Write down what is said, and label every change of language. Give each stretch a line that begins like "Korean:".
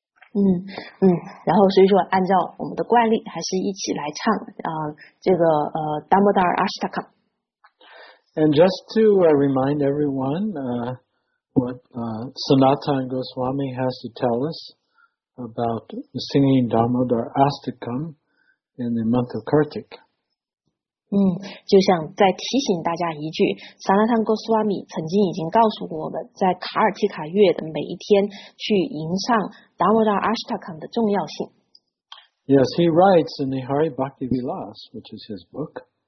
Chinese: 然后所以说按照我们的惯例，还是一起来唱Damodar Astika.
English: And just to remind everyone what Sanatana Goswami has to tell us about singing Damodar Astika in the month of Kartik.
Chinese: 就想再提醒大家一句，萨拉坦戈斯瓦米曾经已经告诉过我们，在卡尔提卡月的每一天去吟唱达摩达阿什塔坎的重要性。
English: Yes, he writes in the Hari Bhakti Vilas, which is his book.